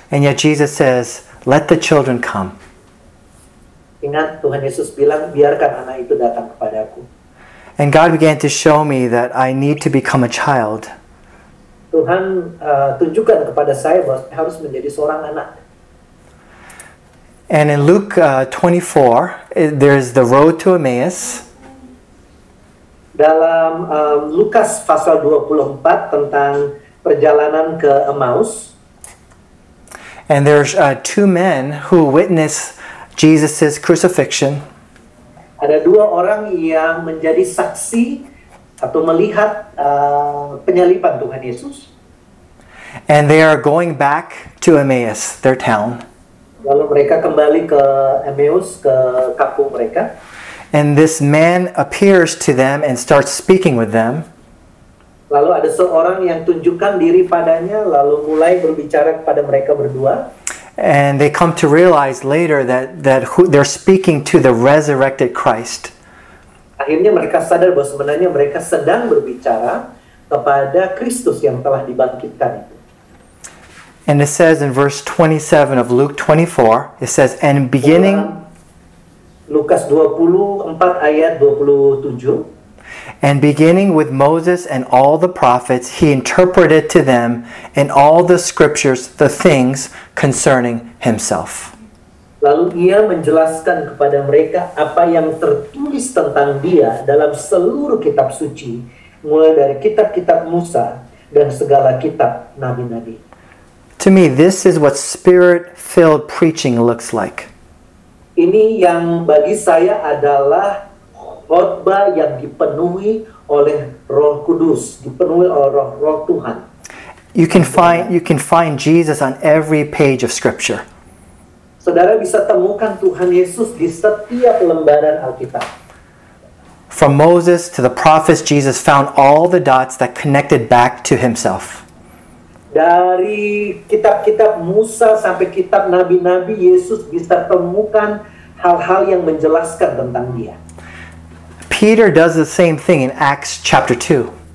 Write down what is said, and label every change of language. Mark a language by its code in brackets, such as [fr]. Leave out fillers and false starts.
[en] And yet Jesus says, let the children come. [id] Ingat Tuhan Yesus bilang biarkan anak itu datang kepadaku. [en] And God began to show me that I need to become a child. [id] Tuhan tunjukkan kepada saya bahwa saya harus menjadi seorang anak. [en] And in Luke 24, there's the road to Emmaus. [id] Dalam Lukas pasal 24 tentang perjalanan ke Emmaus. [en] And there's two men who witness Jesus' crucifixion. [id] Ada dua orang yang menjadi saksi atau melihat penyaliban Tuhan Yesus. [en] And they are going back to Emmaus, their town. [id] Lalu mereka kembali ke Emmaus, ke kampung mereka. [en] And this man appears to them and starts speaking with them. [id] Lalu ada seorang yang tunjukkan diri padanya, lalu mulai berbicara kepada mereka berdua. [en] And they come to realize later that who they're speaking to, the resurrected Christ. [id] Akhirnya mereka sadar bahwa sebenarnya mereka sedang berbicara kepada Kristus yang telah dibangkitkan. [en] And it says in verse 27 of Luke 24, it says, and beginning [id] Lukas 24 ayat 27, [en] and beginning with Moses and all the prophets, he interpreted to them in all the scriptures the things concerning himself. [id] Lalu ia menjelaskan kepada mereka apa yang tertulis tentang dia dalam seluruh kitab suci, mulai dari kitab-kitab Musa dan segala kitab nabi-nabi. [en] To me, this is what spirit-filled preaching looks like. [id] Ini yang bagi saya adalah khotbah yang dipenuhi oleh Roh Kudus, dipenuhi oleh Roh Tuhan. [en] You can find Jesus on every page of Scripture. [id] Saudara bisa temukan Tuhan Yesus di setiap lembaran Alkitab. [en] From Moses to the prophets, Jesus found all the dots that connected back to himself. [id] Dari kitab-kitab Musa sampai kitab nabi-nabi, Yesus bisa temukan hal-hal yang menjelaskan tentang dia. [en] Peter does the same thing in Acts chapter 2.